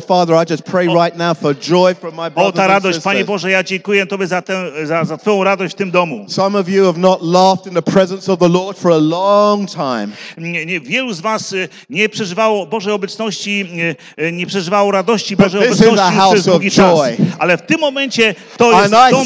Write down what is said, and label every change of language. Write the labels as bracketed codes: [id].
[en] Father, I just pray right now for joy for my brothers and sisters. [pl] O ta radość, Panie Boże, ja dziękuję Tobie za, ten, za, za Twoją radość w tym domu. [en] Some of you have not laughed in the presence of the Lord for a long time. [pl] Wielu z was nie przeżywało Bożej obecności, nie przeżywało radości Bożej obecności przez długi czas. Ale w tym momencie to jest dom,